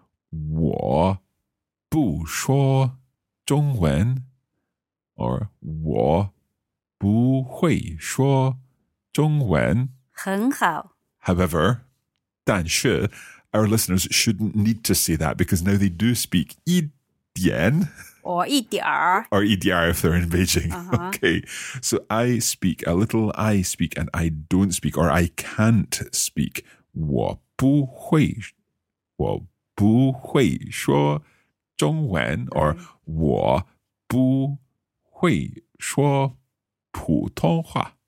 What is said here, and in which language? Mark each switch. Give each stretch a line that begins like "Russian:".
Chinese: 我不说中文
English: or
Chinese: 我不会说中文。很好。
English: However,
Chinese: 但是,
English: our listeners shouldn't need to say that because now they do speak 一点 or 一点 or 一点 if they're in Beijing. Uh-huh. Okay, so I speak a little, I speak and I don't speak or I can't speak.
Chinese: 我不会说中文
English: or
Chinese: 我不会说普通话.